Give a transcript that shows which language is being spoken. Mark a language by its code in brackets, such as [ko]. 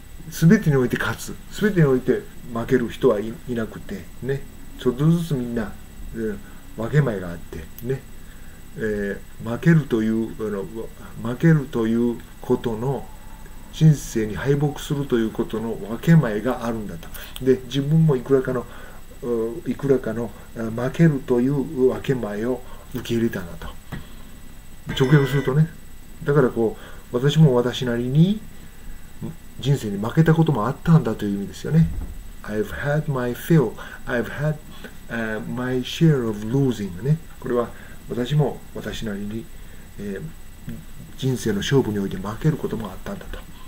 [ja] 全てにおいて勝つ、全てにおいて負ける人は いなくてね、ちょっとずつみんな、分け前があってね、負けるという負けるということの、人生に敗北するということの分け前があるんだと。で自分もいくらかの負けるという分け前を受け入れたんだと、直訳するとね。だからこう、私も私なりに人生に負けたこともあったんだという意味ですよね。 [en] I've had my fill, I've had、my share of losing [ja] ね。これは私も私なりに、人生の勝負において負けることもあったんだと。